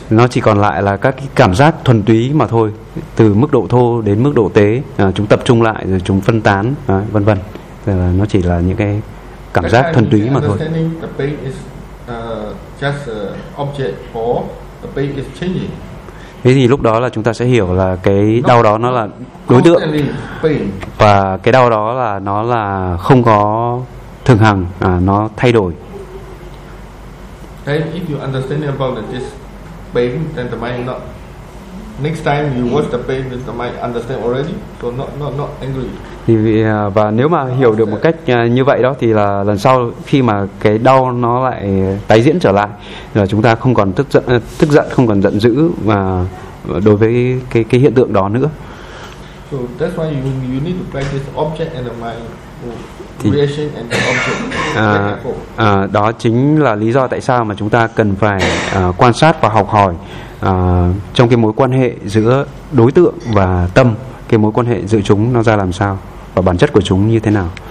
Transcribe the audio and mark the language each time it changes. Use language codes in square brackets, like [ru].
[vi] Nó chỉ còn lại là các cái cảm giác thuần túy mà thôi, từ mức độ thô đến mức độ tế, chúng tập trung lại rồi chúng phân tán, vân vân. Thì là nó chỉ là những cái cảm giác thuần túy mà thôi. [en] The pain is just object or the pain is changing. [vi] Thế thì lúc đó là chúng ta sẽ hiểu là cái đau đó nó là đối tượng, và cái đau đó là nó là không có thường hằng, nó thay đổi. [en] Then if you understand about this pain, then the mind not. Next time you watch the pain, the mind understand already, so not angry. [vi] Thì và nếu mà hiểu được một cách như vậy đó, thì là lần sau khi mà cái đau nó lại tái diễn trở lại, là chúng ta không còn tức giận, không còn giận dữ và đối với cái hiện tượng đó nữa. [en] So that's why you need to practice object and the mind reaction and the object. [vi] Đó chính là lý do tại sao mà chúng ta cần phải quan sát và học hỏi trong cái mối quan hệ giữa đối tượng và tâm, cái mối quan hệ giữa chúng nó ra làm sao và bản chất của chúng như thế nào.